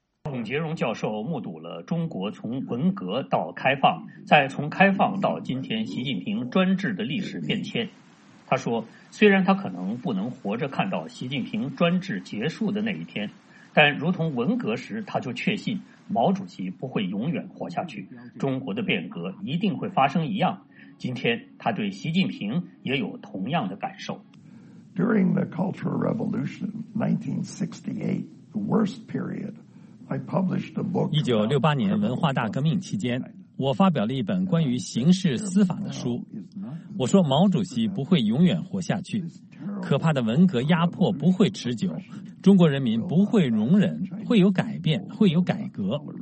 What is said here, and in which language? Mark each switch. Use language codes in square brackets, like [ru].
[zh] 孔杰荣教授目睹了中国从文革到开放，再从开放到今天习近平专制的历史变迁。他说，虽然他可能不能活着看到习近平专制结束的那一天，但如同文革时，他就确信毛主席不会永远活下去，中国的变革一定会发生一样。今天他对习近平也有同样的感受。 [en] During the Cultural Revolution 1968, the worst period, I published a book. [zh] 1968年文化大革命期间，我发表了一本关于刑事司法的书，我说毛主席不会永远活下去，可怕的文革压迫不会持久，中国人民不会容忍，会有改变，会有改革。